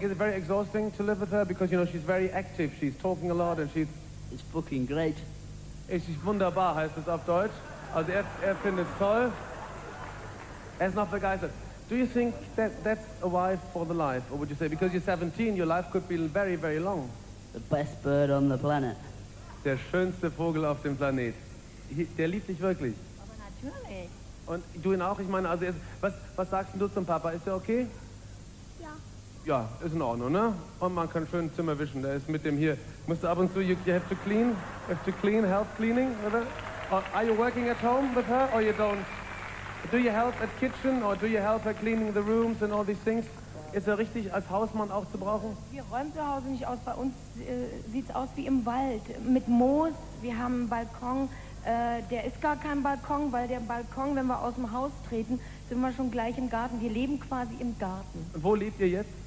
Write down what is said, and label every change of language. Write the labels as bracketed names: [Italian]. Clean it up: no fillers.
[English] Is it very exhausting to live with her? Because, you know, she's very active. She's talking a lot and she's... It's fucking great. [German] Es ist wunderbar, heißt es auf Deutsch. Also er findet es toll. Er ist noch begeistert. [English] Do you think that that's a wife for the life? Or would you say, because you're 17, your life could be very, very long. The best bird on the planet. [German] Der schönste Vogel auf dem Planet. Der liebt dich wirklich. Aber natürlich. Und du ihn auch? Ich meine, also was sagst du zum Papa? Ist er okay? Ja, ist in Ordnung, ne? Und man kann schön Zimmer wischen. Der ist mit dem hier. Musst du ab und zu, [English] you have to clean? Have to clean, help cleaning? Are you working at home with her or you don't? Do you help at kitchen or do you help her cleaning the rooms and all these things? [German] Ist er richtig, als Hausmann auch zu brauchen? Wir räumen zu Hause nicht aus. Bei uns sieht es aus wie im Wald. Mit Moos. Wir haben einen Balkon. Der ist gar kein Balkon, weil der Balkon, wenn wir aus dem Haus treten, sind wir schon gleich im Garten. Wir leben quasi im Garten. Wo lebt ihr jetzt?